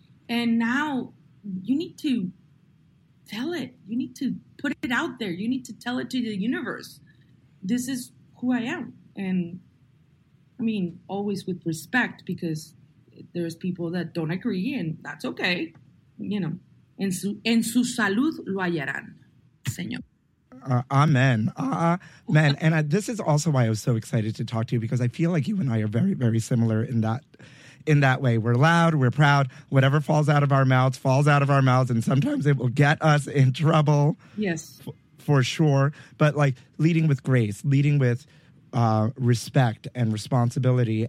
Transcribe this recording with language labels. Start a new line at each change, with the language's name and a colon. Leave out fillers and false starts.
English: And now you need to tell it. You need to put it out there. You need to tell it to the universe. This is who I am. And I mean, always with respect, because there's people that don't agree, and that's okay. You know,
Spanish: en su salud lo hallarán, señor.
English: Amen. And this is also why I was so excited to talk to you, because I feel like you and I are very, very similar in that way. We're loud, we're proud. Whatever falls out of our mouths, and sometimes it will get us in trouble. Yes. For sure. But like leading with grace, leading with respect and responsibility.